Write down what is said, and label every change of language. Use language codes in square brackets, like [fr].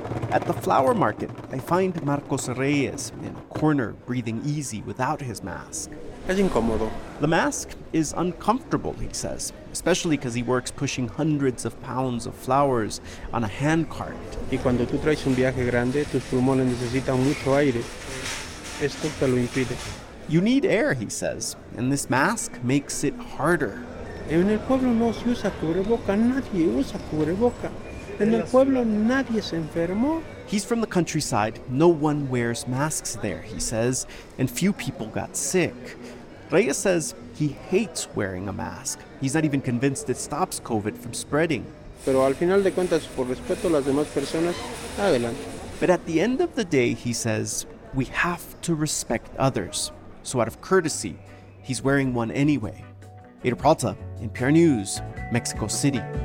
[en] At the flower market, I find Marcos Reyes in a corner breathing easy without his mask. [es] Es incómodo. [en] The mask is uncomfortable, he says, especially because he works pushing hundreds of pounds of flowers on a hand cart. [es] Y cuando tú traes un viaje grande, tus pulmones necesitan mucho aire. Esto te lo impide. [en] You need air, he says, and this mask makes it harder. [es] En el pueblo no se usa cubreboca, nadie usa cubreboca. En el pueblo nadie se enfermó. [en] He's from the countryside. No one wears masks there, he says, and few people got sick. Reyes says he hates wearing a mask. He's not even convinced it stops COVID from spreading. [es] Pero al final de cuentas, por respeto a las demás personas, adelante. [en] But at the end of the day, he says, we have to respect others. So out of courtesy, he's wearing one anyway. Ada Peralta, NPR News, Mexico City.